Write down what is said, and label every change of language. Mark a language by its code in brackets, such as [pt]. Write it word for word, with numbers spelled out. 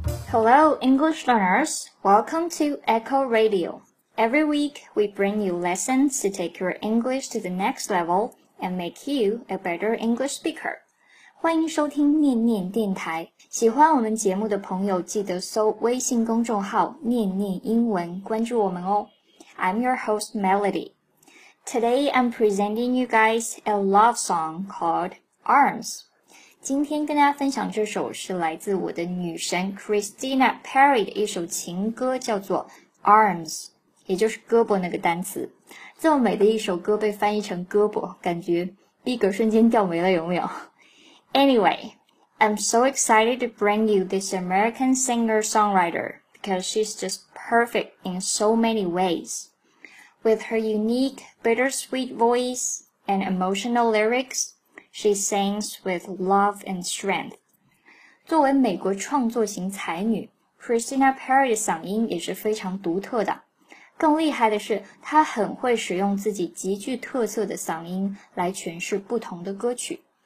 [en] Hello, English learners. Welcome to Echo Radio. Every week, we bring you lessons to take your English to the next level and make you a better English speaker. [zh] 欢迎收听念念电台。喜欢我们节目的朋友，记得搜微信公众号“念念英文”，关注我们哦。 [en] I'm your host, Melody. Today, I'm presenting you guys a love song called Arms. [zh] 今天跟大家分享这首是来自我的女神 Christina Perri 的一首情歌，叫做 Arms， 也就是胳膊那个单词。这么美的一首歌被翻译成胳膊，感觉逼格瞬间掉没了，有没有 [en] ？Anyway, I'm so excited to bring you this American singer-songwriter because she's just perfect in so many ways. With her unique, bittersweet voice and emotional lyrics,She sings with love and strength. [zh] 作为美国创作型才女 Christina Perri 的嗓音也是非常独特的。更厉害的是，她很会使用自己极具特色的嗓音来诠释不同的歌曲。